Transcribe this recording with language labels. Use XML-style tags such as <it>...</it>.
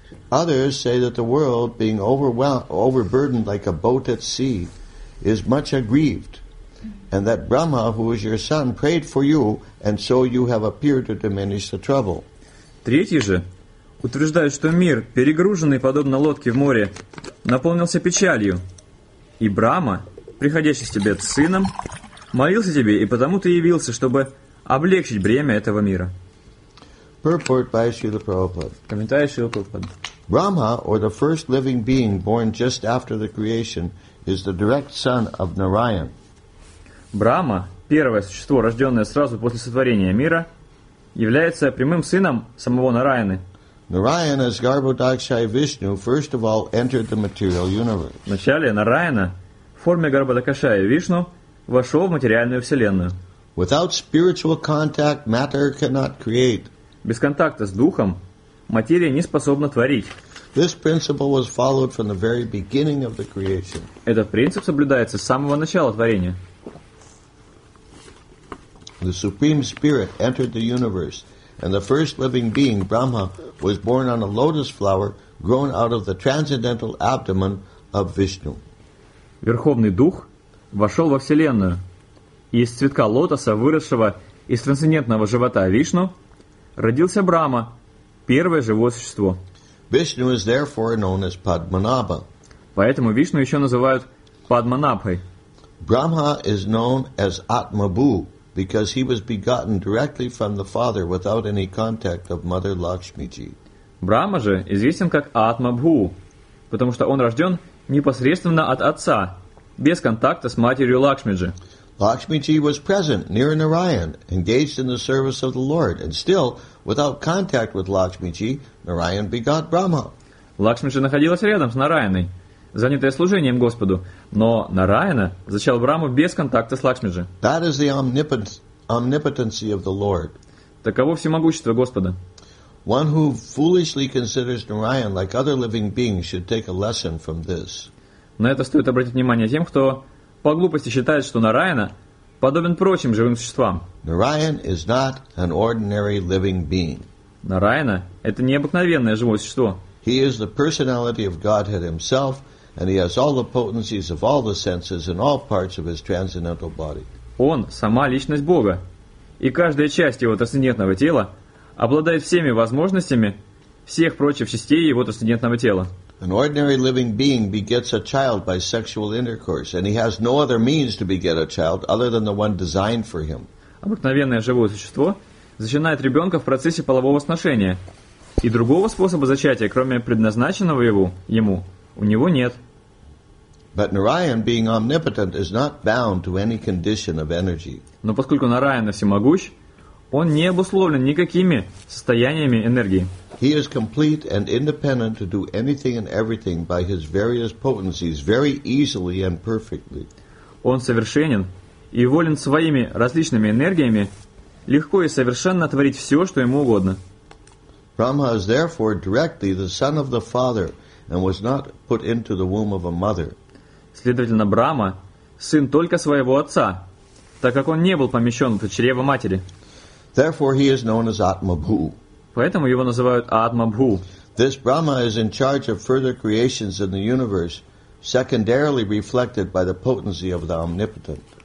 <en>Others say that the world, being overburdened like a boat at sea, is much aggrieved, and that Brahma, who is your son, prayed for you, and so you have appeared to diminish the trouble.</en> <ru>Третий же утверждает, что мир, перегруженный подобно лодке в море, наполнился печалью. И Брама, приходящий к тебе с сыном, молился тебе, и потому ты явился, чтобы облегчить бремя этого мира.</ru> <en>Purport by Srila Prabhupada.</en> <ru>Комментарий Шрилы Прабхупады.</ru> <en>Brahma, or the first living being born just after the creation, is the direct son of Narayan.</en> <ru>Брама, первое существо, рожденное сразу после сотворения мира, является прямым сыном самого Нараяны.</ru> <en>Narayan, as Garbhodakshaya Vishnu, first of all entered the material universe.</en> <ru>Вначале Нараяна в форме Гарбхадакшая Вишну вошел в материальную вселенную.</ru> <en>Without spiritual contact, matter cannot create.</en> <ru>Без контакта с духом материя не способна творить.</ru> <en>This principle was followed from the very beginning of the creation.</en> <ru>Этот принцип соблюдается с самого начала творения.</ru> <en>The Supreme Spirit entered the universe. And the first living being, Brahma, was born on a lotus flower grown out of the transcendental abdomen of Vishnu.</en> <ru>Верховный дух вошел во вселенную, и из цветка лотоса, выросшего из трансцендентного живота Вишну, родился Брама, первое живое существо.</ru> <en>Vishnu is therefore known as Padmanabha.</en> <ru>Поэтому Вишну еще называют Падманабхой.</ru> <en>Brahma is known as Atmabhu. Because he was begotten directly from the Father without any contact of Mother Lakshmiji.</en> <ru>Брама же известен как Атмабху, потому что он рожден непосредственно от отца, без контакта с матерью Лакшмиджи.</ru> <en>Лакшмиджи was present near Narayan, engaged in the service of the Lord, and still, without contact with Lakshmiji, Narayan begot Brahma.</en> <ru>Лакшмиджи находилась рядом с Нараяной, занятая служением Господу, но Нараяна зачал Браму без контакта с Лакшмиджи.</ru> <en>That is the omnipotency of the Lord.</en> <ru>Таково всемогущество Господа.</ru> <en>One who foolishly considers Narayan like other living beings should take a lesson from this.</en> <ru>На это стоит обратить внимание тем, кто по глупости считает, что Нараяна подобен прочим живым существам.</ru> <en>Narayan is not an ordinary living being.</en> <ru>Нараяна – это необыкновенное живое существо.</ru> <en>He is the personality of Godhead himself, and he has all the potencies of all the senses in all parts of his transcendental body.</en> <ru>Он – сама личность Бога, и каждая часть его трансцендентного тела обладает всеми возможностями всех прочих частей его трансцендентного тела.</ru> <en>An ordinary living being begets a child by sexual intercourse, and he has no other means to beget a child other than the one designed for him.</en> <ru>Обыкновенное живое существо зачинает ребенка в процессе полового сношения, и другого способа зачатия, кроме предназначенного ему, у него нет.</ru> <en>But Narayan, being omnipotent, is not bound to any condition of energy.</en> <ru>Но поскольку Нараяна всемогущ, он не обусловлен никакими состояниями энергии.</ru> <en>He is complete and independent to do anything and everything by his various potencies very easily and perfectly.</en> <ru>Он совершенен и волен своими различными энергиями легко и совершенно творить все, что ему угодно.</ru> <en>Brahma is therefore directly the son of the Father and was not put into the womb of a mother.</en> <ru>Следовательно, Брама – сын только своего отца, так как он не был помещен в чрево матери.</ru> <en>Therefore, he is known as Atma-Bhu.</en> <ru>Поэтому его называют Атма-Бху.</ru> <en>This Brahma is in charge of further creations in the universe, secondarily reflected by the potency of the omnipotent.</en>